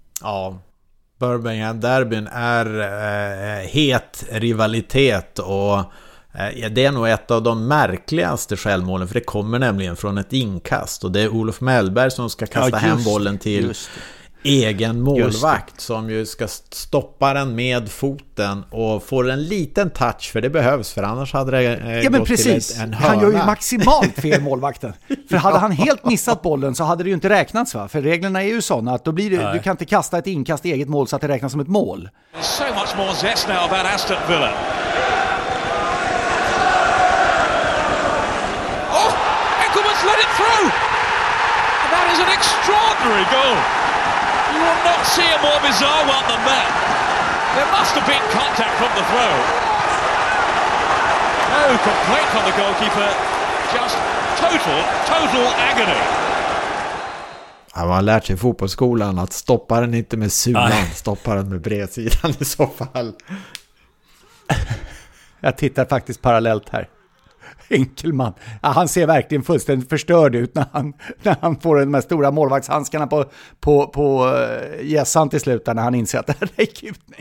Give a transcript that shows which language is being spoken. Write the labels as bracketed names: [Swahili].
[Swedish] Ja, Birmingham derbyn är het rivalitet, och det är nog ett av de märkligaste självmålen, för det kommer nämligen från ett inkast, och det är Olof Mellberg som ska kasta hem bollen till egen målvakt som ju ska stoppa den med foten och få en liten touch, för det behövs, för annars hade det ja, men gått precis. Till en hörna. Han gör ju maximalt fel, målvakten. För hade han helt missat bollen så hade det ju inte räknats, va? För reglerna är ju sådana att då blir det, du kan inte kasta ett inkast i eget mål så att det räknas som ett mål. [English] So much more zest now about Aston Villa. Oh, Ekubas let it through. That is an extraordinary goal. Not see a more bizarre one than that. There must have been contact from the throw. No complaint from the goalkeeper. Just total agony. [Swedish] Han har lärt sig i fotbollsskolan att stoppa den inte med sulan, stoppa den med bredsidan i så fall. Jag tittar faktiskt parallellt här. Enkelman. Ja, han ser verkligen fullständigt förstörd ut när han får de här stora målvaktshandskarna på gässan till slut, när han inser att det här räcker ut.